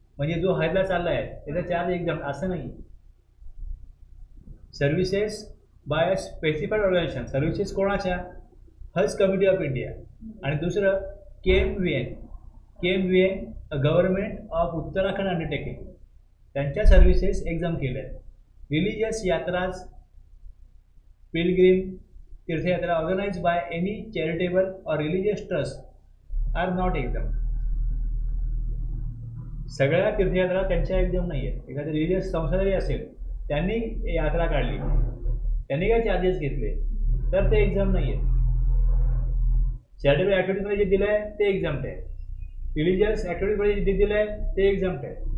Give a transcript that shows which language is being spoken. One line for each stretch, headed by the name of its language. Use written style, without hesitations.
Marathi: म्हणजे जो हैदला चालला आहे त्याचा चार्ज एक्झाम असं नाही आहे.
English: services by a specified organisation,
Marathi: सर्व्हिसेस कोणाच्या, हज कमिटी ऑफ इंडिया आणि दुसरं KMVN a government of Uttarakhand undertaking, त्यांच्या सर्व्हिसेस एक्झाम केल्या आहेत.
English: Religious यात्राज pilgrim तीर्थयात्रा organise by any charitable और religious trust are not exam.
Marathi: सगळ्या तीर्थयात्रा त्यांच्या एक्झाम नाही आहेत, एखादी रिलिजियस संस्था जरी असेल त्यांनी यात्रा काढली त्यांनी काय चार्जेस घेतले तर ते एक्झाम नाही आहेत. चॅरिटेबल ॲक्टिव्हिटीमध्ये जे दिलं आहे ते एक्झाम आहे, रिलिजियस ॲक्टिव्हिटीमध्ये जे दिलं आहे ते एक्झाम आहे.